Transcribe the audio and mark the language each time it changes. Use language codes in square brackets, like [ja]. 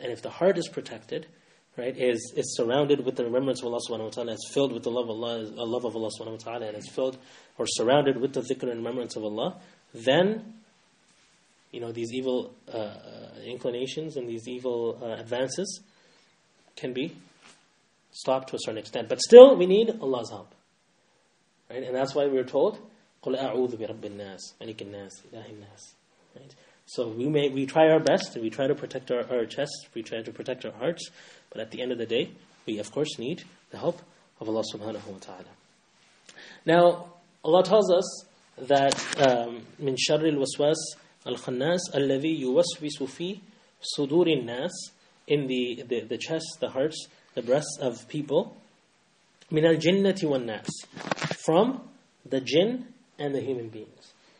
[en] And if the heart is protected, right, is surrounded with the remembrance of Allah subhanahu wa ta'ala, is filled with the love of Allah, love of Allah subhanahu wa ta'ala, and is filled or surrounded with the dhikr and remembrance of Allah, then, you know, these evil inclinations and these evil advances can be stopped to a certain extent. But still, we need Allah's help. Right? And that's why we're told, [ar] قُلْ أَعُوذُ بِرَبِّ النَّاسِ مَلِكِ النَّاسِ إِلَهِ النَّاسِ. [en] Right? So we try our best, and we try to protect our chests, we try to protect our hearts, but at the end of the day, we of course need the help of Allah subhanahu wa ta'ala. Now, Allah tells us that [ar] مِنْ شَرِّ الْوَسْوَاسِ الْخَنَّاسِ أَلَّذِي يُوَسْوِسُ فِي صُدُورِ النَّاسِ, [en] in the chests, the hearts, the breasts of people, [ar] مِنَ الْجِنَّةِ وَالنَّاسِ, [en] from the jinn and the human beings.